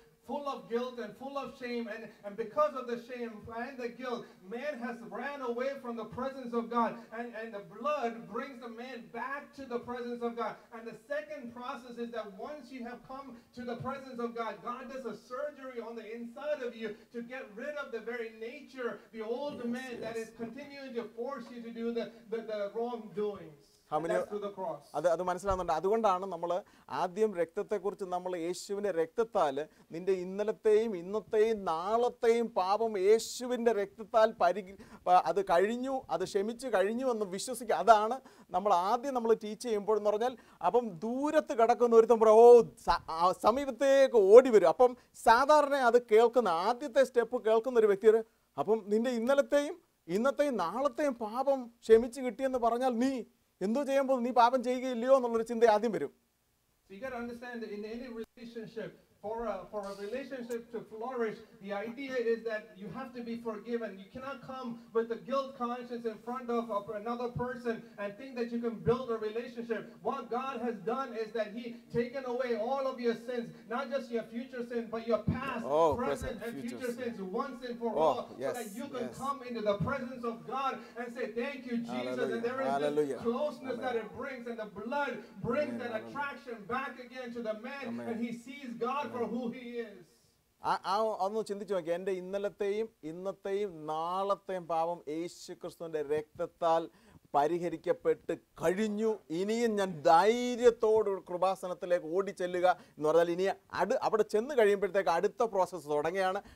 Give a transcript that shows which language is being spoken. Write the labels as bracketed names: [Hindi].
[English] Full of guilt and full of shame, and because of the shame and the guilt, man has ran away from the presence of God, and the blood brings the man back to the presence of God. And the second process is that once you have come to the presence of God, God does a surgery on the inside of you to get rid of the very nature, the old man that is continuing to force you to do the wrongdoings. [Malayalam] അത് അത് മനസ്സിലാകുന്നുണ്ട്. അതുകൊണ്ടാണ് നമ്മൾ ആദ്യം രക്തത്തെക്കുറിച്ച്, നമ്മൾ യേശുവിൻ്റെ രക്തത്താൽ നിന്റെ ഇന്നലത്തെയും ഇന്നത്തെയും നാളത്തെയും പാപം യേശുവിൻ്റെ രക്തത്താൽ അത് കഴിഞ്ഞു, അത് ക്ഷമിച്ചു കഴിഞ്ഞു എന്ന് വിശ്വസിക്കുക. അതാണ് നമ്മൾ ആദ്യം നമ്മൾ ടീച്ച് ചെയ്യുമ്പോൾ എന്ന് പറഞ്ഞാൽ. അപ്പം ദൂരത്ത് കിടക്കുന്ന ഒരു തമ്പ്ര ഓ സമീപത്തേക്ക് ഓടി വരും. അപ്പം സാധാരണ അത് കേൾക്കുന്ന ആദ്യത്തെ സ്റ്റെപ്പ് കേൾക്കുന്ന ഒരു വ്യക്തിയുടെ, അപ്പം നിന്റെ ഇന്നലത്തെയും ഇന്നത്തെയും നാളത്തെയും പാപം ക്ഷമിച്ചു കിട്ടിയെന്ന് പറഞ്ഞാൽ നീ എന്തോ ചെയ്യുമ്പോൾ നീ പാപം ചെയ്യുകയില്ലയോ എന്നുള്ളൊരു ചിന്ത ആദ്യം വരും. [English] So you got to understand that in any relationship, for a relationship to flourish, the idea is that you have to be forgiven. You cannot come with a guilt conscience in front of another person and think that you can build a relationship. What God has done is that He taken away all of your sins, not just your future sins, but your past, present, and future sins once and for all, yes, so that you can come into the presence of God and say, thank you, Jesus. Hallelujah. And there is Hallelujah. This closeness Hallelujah. That it brings, and the blood brings Amen. That Hallelujah. Attraction back again to the man, Amen. And he sees God Amen. For who He is. [Malayalam] ഒന്ന് ചിന്തിച്ചു നോക്കി, എൻ്റെ ഇന്നലത്തെയും ഇന്നത്തെയും നാളത്തെയും പാപം യേശുക്രിസ്തുവിൻ്റെ രക്തത്താൽ പരിഹരിക്കപ്പെട്ട് കഴിഞ്ഞു. ഇനിയും ഞാൻ ധൈര്യത്തോട് കൃപാസനത്തിലേക്ക് ഓടി ചെല്ലുക എന്ന് പറഞ്ഞാൽ, ഇനി അവിടെ ചെന്ന് കഴിയുമ്പോഴത്തേക്ക് അടുത്ത പ്രോസസ്സ് തുടങ്ങുകയാണ്.